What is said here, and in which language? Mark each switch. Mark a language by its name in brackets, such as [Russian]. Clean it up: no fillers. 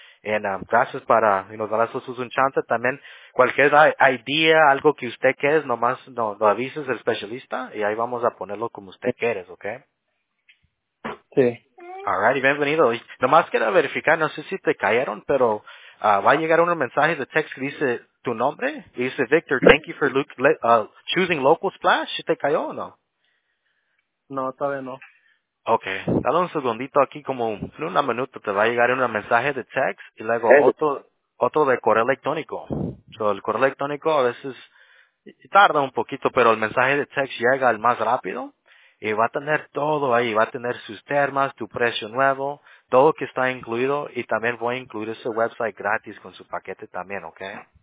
[Spanish] And gracias para, y nos dará sus un chance también. Cualquier idea, algo que usted quiera, nomás no, lo avises al especialista y ahí vamos a ponerlo como usted quiera, ¿ok? Sí. Alright, bienvenido. Y nomás quiero verificar, no sé si te cayeron, pero va a llegar un mensaje de text que dice tu nombre. Y dice, [English] Victor, thank you for choosing Local Splash. [Spanish] ¿Te cayó o no? No, todavía no. Okay, dale un segundito aquí, como en una minuto te va a llegar un mensaje de text y luego otro de correo electrónico. So, el correo electrónico a veces tarda un poquito, pero el mensaje de text llega al más rápido y va a tener todo ahí, va a tener sus termas, tu precio nuevo, todo que está incluido, y también voy a incluir ese website gratis con su paquete también, okay?